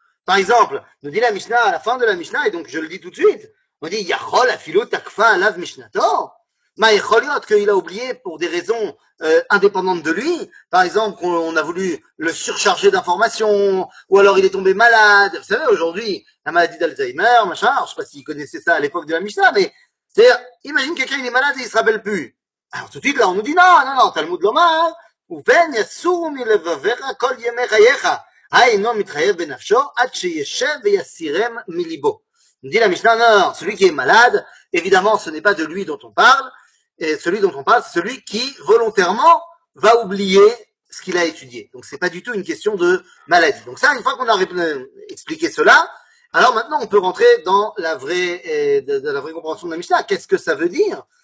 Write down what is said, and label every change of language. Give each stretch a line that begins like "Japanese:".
French: Par exemple, nous dit la Mishnah à la fin de la Mishnah, et donc je le dis tout de suite, on dit
Hebrew: Yachol afilo takfa alav Mishnator, ma yacholiot
French: qu'il a oublié pour des raisons indépendantes de lui, par exemple qu'on a voulu le surcharger d'informations, ou alors il est tombé malade, vous savez aujourd'hui, la maladie d'Alzheimer, machin, alors, je sais pas s'il connaissait ça à l'époque de la Mishnah, mais c'est-à-dire, imagine quelqu'un il est malade et il se rappelle plus. Alors tout de suite là on nous dit non, Talmud Lomar, hein.
Hebrew: ובן יסור מלבביך כל ימי חייך. היינו מתחייב בנפשו עד שישב ויסירם מליבו. דיל המשנה,
French: non, celui qui est malade, évidemment, ce n'est pas de lui dont on parle. Celui dont on parle, c'est celui qui, volontairement, va oublier ce qu'il a étudié. Donc, ce n'est pas du tout une question de maladie. Donc, ça, une fois qu'on a expliqué cela, alors maintenant, on peut rentrer dans la vraie compréhension de la Mishnah. Qu'est-ce que ça veut dire?